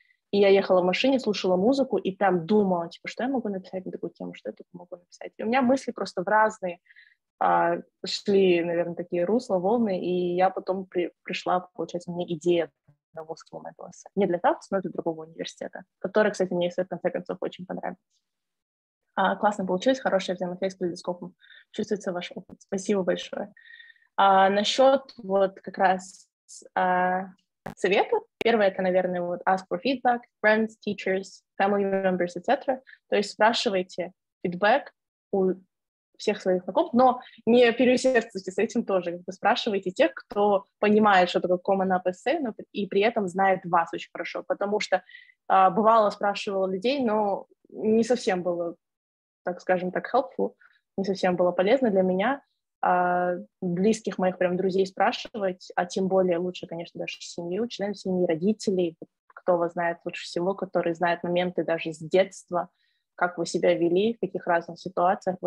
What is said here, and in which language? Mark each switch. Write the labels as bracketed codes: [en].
[ru] И я ехала в машине, слушала музыку и там думала, типа, что я могу написать на такую тему, что я тут могу написать. И у меня мысли просто в разные шли, наверное, такие русла, волны, и я потом пришла, получается, у меня идея одного supplemental essay. Не для Tufts, но для другого университета, который, кстати, мне, в конце концов, очень понравился. Классно получилось, хорошая взаимосвязь с калейдоскопом. Чувствуется ваш опыт. Спасибо большое. Насчет вот как раз советов. Первое, это, наверное, вот [en] ask for feedback, friends, teachers, family members, etc. [ru] То есть спрашивайте feedback у всех своих знакомых, но не переусердствуйте с этим тоже. Как бы спрашивайте тех, кто понимает, что такое common up essay, но и при этом знает вас очень хорошо, потому что бывало спрашивала людей, но не совсем было, так скажем так, helpful, не совсем было полезно для меня близких моих прям друзей спрашивать, а тем более лучше, конечно, даже семью, членов семьи, родителей, кто вас знает лучше всего, которые знают моменты даже с детства, как вы себя вели, в каких разных ситуациях.